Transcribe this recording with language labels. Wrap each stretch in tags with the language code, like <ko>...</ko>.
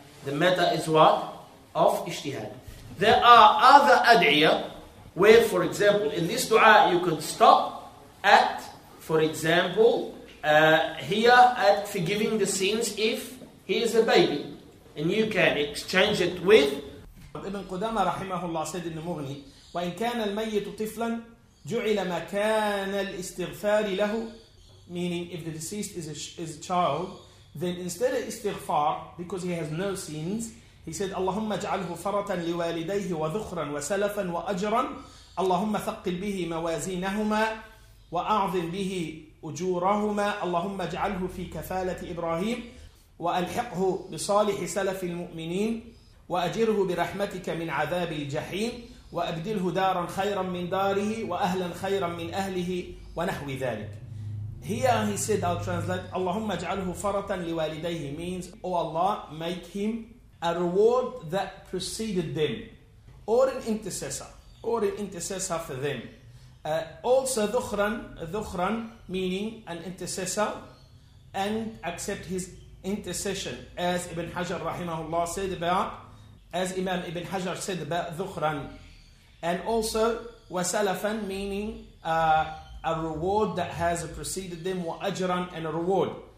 <en>The matter is what? Of ijtihad. There are other ad'iyah where, for example, in this dua, you could stop at, for example, here at forgiving the sins if he is a baby. And you can exchange it with Ibn Qudama rahimahullah said in the Mughni,</en> <ar>وَإِنْ كَانَ الْمَيِّتُ طِفْلًا جُعِلَ مَا كَانَ الْإِسْتِغْفَارِ لَهُ,</ar> <en>meaning if the deceased is a child, then instead of istighfar, because he has no sins, he said,</en> <ar>اللهم اجعله فرة لوالديه وذخرا وسلفا وأجرا, اللهم ثقل به موازينهما وأعظم به أجورهما, اللهم اجعله في كفالة إبراهيم وألحقه بصالح سلف المؤمنين وأجره برحمتك من عذاب الجحيم وأبدله دارا خيرا من داره وأهلا خيرا من أهله ونحو ذلك.</ar> <en>Here he said, I'll translate,</en> <ar>اللهم اجعله فرة لوالديه,</ar> <en>means, O Allah, make him a reward that preceded them, or an intercessor for them. Also, ذخرا, meaning an intercessor, and accept his intercession, as Ibn Hajar rahimahullah said about, as Imam Ibn Hajar said about ذخرًا, and also وسلفًا, meaning a reward that has preceded them, وأجرًا, and a reward.</en>